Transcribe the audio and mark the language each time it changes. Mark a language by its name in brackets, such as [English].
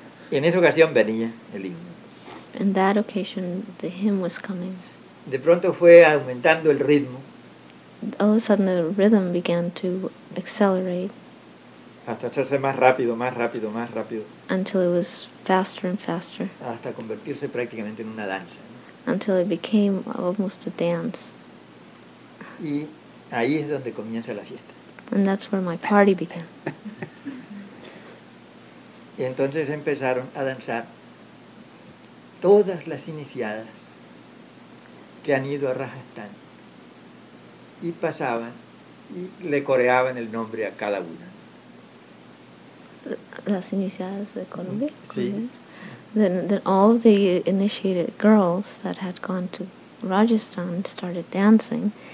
[Spanish] En esa ocasión venía el himno. [English] In that occasion, the hymn was coming. [Spanish] De pronto fue aumentando el ritmo. [English] All of a sudden, the rhythm began to accelerate. [Spanish] Hasta hacerse más rápido, más rápido, más rápido. [English] Until it was faster and faster. [Spanish] Hasta convertirse prácticamente en una danza. [English] Until it became almost a dance. [Spanish] Y ahí es donde comienza la fiesta. [English] And that's where my party began. [Spanish] Y entonces empezaron a danzar todas las iniciadas que han ido a Rajasthan. Y pasaban y le coreaban el nombre a cada una. Las iniciadas de Colombia. Sí. [English] Then all of the initiated girls that had gone to Rajasthan started dancing.